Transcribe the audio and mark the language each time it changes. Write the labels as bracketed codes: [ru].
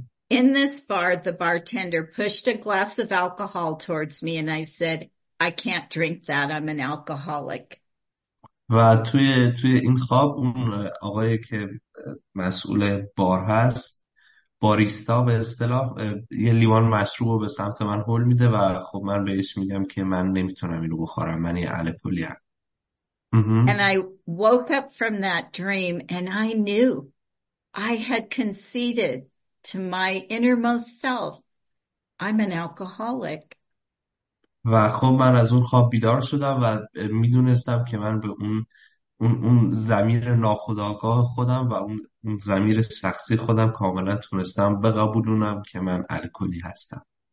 [en] In this bar, the bartender pushed a glass of alcohol towards me and I said, I can't drink that, I'm an alcoholic. [fa] و توی این خواب اون آقایی که مسئول بار هست باریستا به اصطلاح یه لیوان مشروب رو به سمت من هل میده و خب من بهش میگم که من نمیتونم اینو بخورم، من یه الکلی هم. [en] And I woke up from that dream and I knew I had conceded to my innermost self, I'm an alcoholic. [fa] و خب من از اون خواب بیدار شدم و میدونستم که من به اون ضمیر ناخودآگاه خودم و اون ضمیر شخصی خودم کاملا تونستم بقبولونم که من الکلی هستم.